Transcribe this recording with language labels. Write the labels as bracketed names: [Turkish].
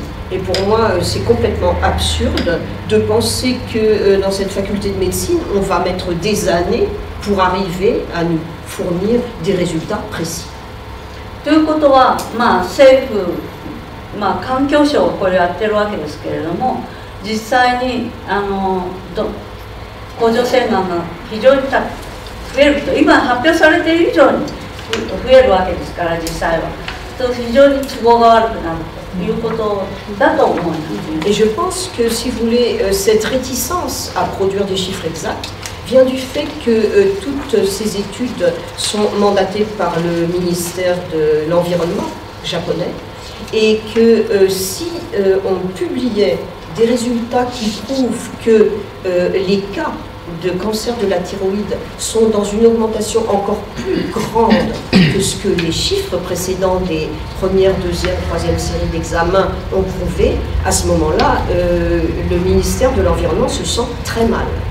[French] Et pour moi, c'est complètement absurde de penser que dans cette faculté de médecine, on va mettre des années pour arriver à nous fournir des résultats précis. [Japanese] ということは、まあ、政府、まあ、環境省がこれをやっているわけですけれども、実際にあの甲状腺がんが非常に増えると、今発表されている以上に増えるわけですから実際は。と非常に都合が悪くなるということだと思います。 [French] Et je pense que si vous voulez cette réticence à produire des chiffres exacts vient du fait que toutes ces études sont mandatées par le ministère de l'environnement japonais et que si on publiait des résultats qui prouvent que les cas de cancer de la thyroïde sont dans une augmentation encore plus grande que ce que les chiffres précédents des premières, deuxième, troisième série d'examens ont prouvé, à ce moment-là, le ministère de l'Environnement se sent très mal.